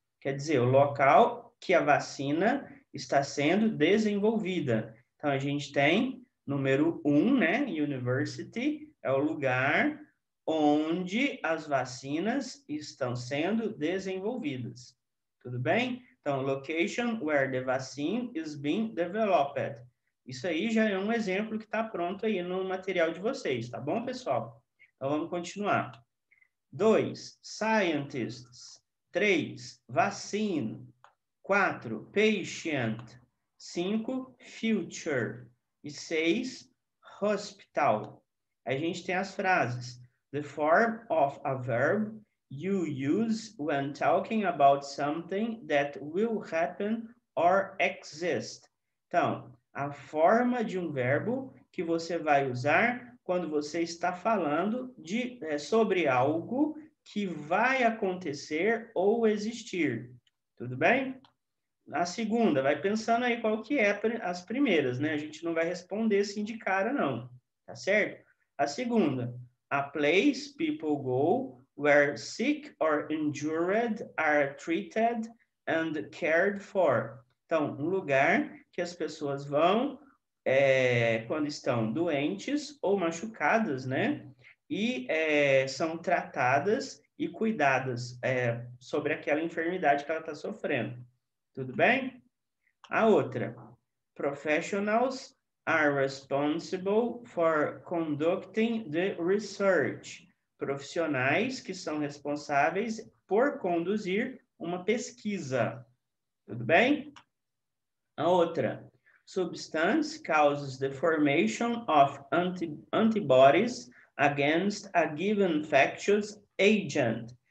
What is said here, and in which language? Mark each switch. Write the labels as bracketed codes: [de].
[pt] Quer dizer, o local que a vacina está sendo desenvolvida. Então, a gente tem número 1, né? University é o lugar onde as vacinas estão sendo desenvolvidas. Tudo bem? [en] Então, location where the vaccine is being developed. [pt] Isso aí já é um exemplo que está pronto aí no material de vocês, tá bom, pessoal? Então, vamos continuar. 2, scientists. 3, vaccine. 4, patient. 5, future. E 6, hospital. A gente tem as frases. [en] The form of a verb you use when talking about something that will happen or exist. [pt] Então, a forma de um verbo que você vai usar quando você está falando sobre algo que vai acontecer ou existir. Tudo bem? A segunda, vai pensando aí qual que é as primeiras, né? A gente não vai responder assim de cara, não. Tá certo? A segunda, [en] a place people go where sick or injured are treated and cared for. [pt] Então, um lugar que as pessoas vão quando estão doentes ou machucadas, né? E são tratadas e cuidadas sobre aquela enfermidade que ela está sofrendo. Tudo bem? A outra, [en] professionals are responsible for conducting the research. [pt] Profissionais que são responsáveis por conduzir uma pesquisa. Tudo bem? A outra, [en] substance causes the formation of antibodies against a given infectious agent.